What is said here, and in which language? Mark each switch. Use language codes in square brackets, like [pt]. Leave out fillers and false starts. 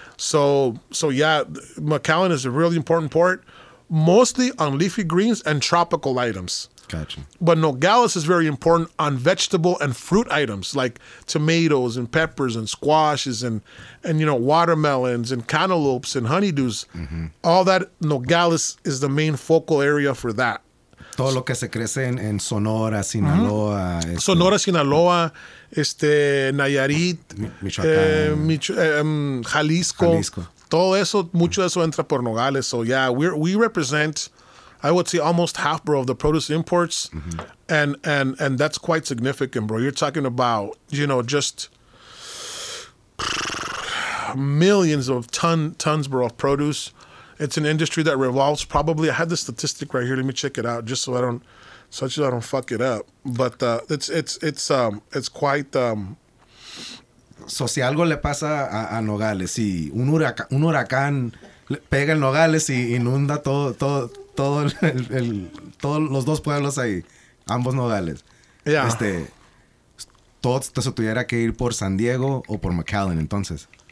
[en] So yeah, McAllen is a really important port, mostly on leafy greens and tropical items. Gotcha. But Nogales is very important on vegetable and fruit items like tomatoes and peppers and squashes and you know, watermelons and cantaloupes and honeydews. Mm-hmm. All that, Nogales is the main focal area for that. [es] Todo lo que se crece en Sonora, Sinaloa. Mm-hmm. Sonora, Sinaloa, Nayarit, Jalisco. Todo eso, mucho de eso entra por Nogales. [en] So yeah, we represent, I would say, almost half, bro, of the produce imports, mm-hmm. and that's quite significant, bro. You're talking about, you know, just millions of tons, bro, of produce. It's an industry that revolves probably. I had the statistic right here. Let me check it out, just so I don't, such so that I don't fuck it up. But it's quite. [es] So, si algo le pasa a Nogales, si un huracán pega en Nogales y inunda todos los dos pueblos ahí, ambos Nogales. [en] Yeah. [es] Todo se tuviera que ir por San Diego o por McAllen, entonces.